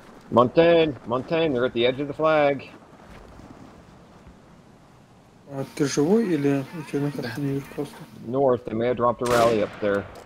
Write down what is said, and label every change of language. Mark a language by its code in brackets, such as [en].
[en] Montan, Montan, they're at the edge of the flag. [ru] А ты живой или у тебя на карте не вижу просто? [en] North, they may have dropped a rally up there.